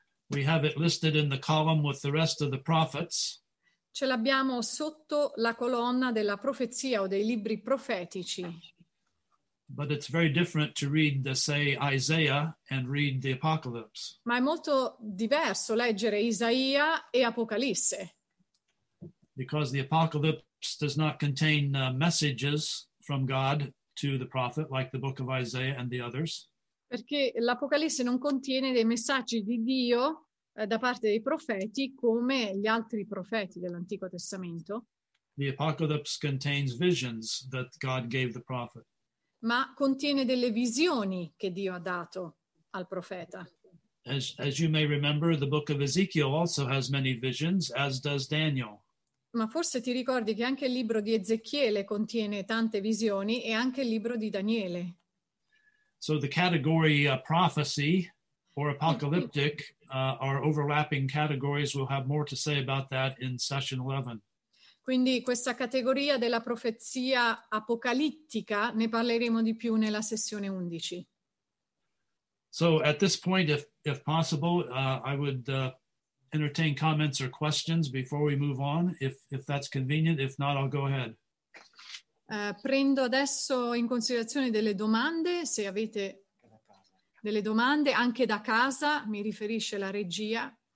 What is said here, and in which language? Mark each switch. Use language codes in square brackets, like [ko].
[en] We have it listed in the column with the rest of the prophets. [it] Ce l'abbiamo sotto la colonna della profezia o dei libri profetici. [en] But it's very different to read, say, Isaiah and read the Apocalypse. [it] Ma è molto diverso leggere Isaia e Apocalisse. [en] Because the Apocalypse does not contain messages from God to the prophet, like the book of Isaiah and the others. [it] Perché l'Apocalisse non contiene dei messaggi di Dio da parte dei profeti come gli altri profeti dell'Antico Testamento. [en] The Apocalypse contains visions that God gave the prophet. [it] Ma contiene delle visioni che Dio ha dato al profeta. [en] As you may remember, the book of Ezekiel also has many visions, as does Daniel. [it] Ma forse ti ricordi che anche il libro di Ezechiele contiene tante visioni, e anche il libro di Daniele. [en] So the category prophecy or apocalyptic are overlapping categories. We'll have more to say about that in session 11. [it] Quindi questa categoria della profezia apocalittica ne parleremo di più nella sessione 11. [en] So at this point, if possible, I would entertain comments or questions before we move on, if that's convenient. If not, I'll go ahead. [it] Prendo adesso in considerazione delle domande, se avete delle domande, anche da casa, mi riferisce la regia.